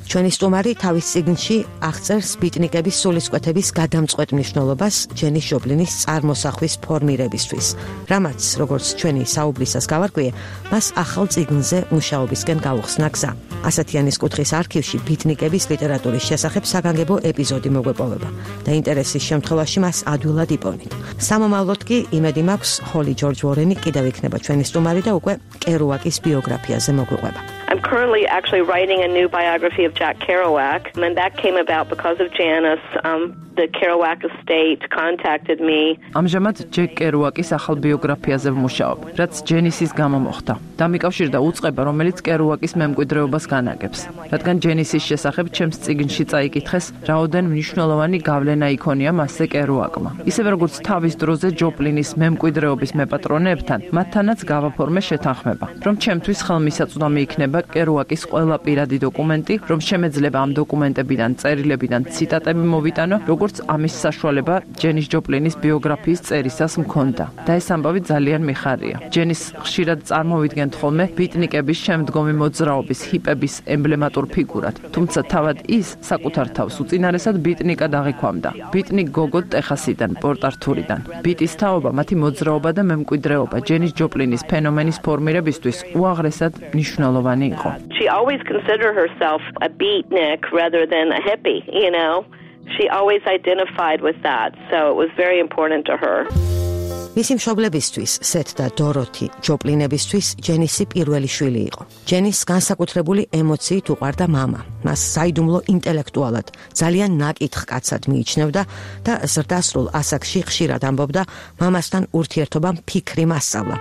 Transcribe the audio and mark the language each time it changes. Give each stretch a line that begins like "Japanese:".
Georgian: ჩვენი სტუმარი თავის წიგნში აღწერს ბიტნიკების სულისკვეთების გადამწყვეტ მნიშვნელობას Jenny's Joplin-ის წარმოსახვის ფორმირებისთვის, რამაც, როგორც ჩვენი საუბრისას გავარკვიე, მას ახალ წიგნზე მუშაობისკენ გაუხსნა გზა. ასათიანის კუთხის არქივში ბიტნიკების ლიტერატურის შესახებ საგანგებო ეპიზოდი მოგვეპოვება და ინტერესის შემთხვევაში მას ადვილად იპოვნით. სამომავლოდ კი იმედი მაქვს, ჰოლი ჯორჯ ვორენი კიდევ იქნება ჩვენი სტუმარი და უკვე კერუაკის ბიოგრაფიაზე მოგვეყვება.
English: I'm currently actually writing a new biography of Jack Kerouac, and that came about because of Janis. The Kerouac estate contacted me.
Georgian: Amjamat Jack Kerouac's ახალ ბიოგრაფიაზე ვმუშაობ. Რაც Janis-ის გამო მოხდა. დამიკავშირდა უცხება, რომელიც Kerouac-ის მემკვიდრეობას განაგებს. რადგან Janis-ის შესახებ ჩემს წიგნში წაიკითხეს, რაოდენ მნიშვნელოვანი გავლენა იქონია მასზე Kerouac-მა. Ისევე როგორც თავის დროზე Joplin-ის მემკვიდრეობის მეპატრონებთან, მათთანაც გავაფორმე შეთანხმება, რომ ჩემთვის ხელმისაწვდომი იქნება Kerouac-ის ყველა პირადი დოკუმენტი, რომ შემეძლება ამ დოკუმენტებიდან წერილებიდან ციტატები მოვიტანო. Როგორც ამის საშუალება Janis Joplin-ის ბიოგრაფიის წერისას მქონდა. Და ეს ამბავი ძალიან მიხარია. Janis ხშირად წარმოვიდგენთ ხოლმე ბიტნიკების შემდგომი მოძრაობის ჰიპების ემბლემატურ ფიგურად. თუმცა თავად ის საკუთარ თავს უწინარესად ბიტნიკად აღიქვამდა. ბიტნიკ გოგო ტეხასიდან, პორტ-ართურიდან. ბიტის თაობა, მათი მოძრაობა და მემკვიდრეობა Janis Joplin-ის ფენომენის ფორმირებისთვის უაღრესად მნიშვნელოვანი იყო.
English: She always considered herself a beatnik rather than a hippie, you know. She always identified with that, so it was very important to her.
Georgian: მისი მშობლებისთვის, სეთ და დოროთი ჯოპლინებისთვის, ჯენისი პირველი შვილი იყო. ჯენის განსაკუთრებული ემოციით უყვარდა მამა. მას საიდუმლო ინტელექტუალად, ძალიან ნაკითხ კაცად მიიჩნევდა და ზრდასრულ ასაკში ხშირად ამბობდა მამასთან ურთიერთობამ ფიქრი მასწავლა.